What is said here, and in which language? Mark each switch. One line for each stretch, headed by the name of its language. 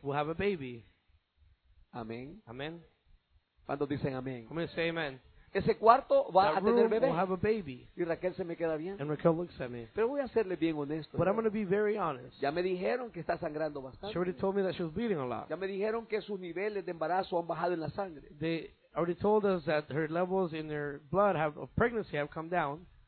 English: Will have a baby.
Spanish: Amén.
English: Amen.
Spanish: ¿Cuántos dicen amén?
English: I'm going to say amen.
Spanish: Ese cuarto va
English: that
Spanish: a tener bebé.
English: Will have a baby.
Spanish: Y Raquel se me queda bien.
English: And Raquel looks at me.
Spanish: Pero voy a serle bien honesto.
English: But I'm going to be very honest.
Spanish: Ya me dijeron que está sangrando bastante.
English: She already told me that she was bleeding a lot.
Spanish: Ya me dijeron que sus niveles de embarazo han bajado en la sangre.
English: They already told us that her levels in her blood have, of pregnancy have come down.